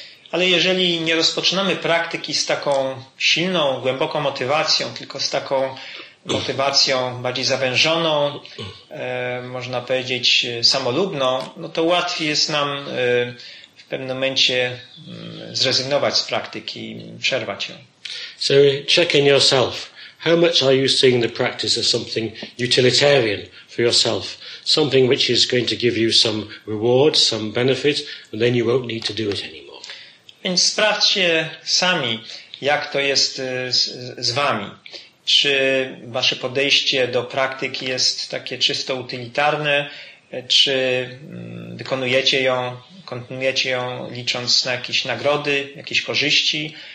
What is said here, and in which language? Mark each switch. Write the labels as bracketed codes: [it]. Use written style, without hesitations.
[pl] Ale jeżeli nie rozpoczynamy praktyki z taką silną, głęboką motywacją, tylko z taką motywacją bardziej zawężoną, można powiedzieć samolubną, no to łatwiej jest nam w pewnym momencie zrezygnować z praktyki, przerwać ją. [en] So check in yourself. How much are you seeing the practice as something utilitarian for yourself? Something which is going to give you some reward, some benefit, and then you won't need to do it anymore. [pl] Więc sprawdźcie sami, jak to jest z wami. Czy wasze podejście do praktyki jest takie czysto utylitarne, czy wykonujecie ją, kontynuujecie ją licząc na jakieś nagrody, jakieś korzyści.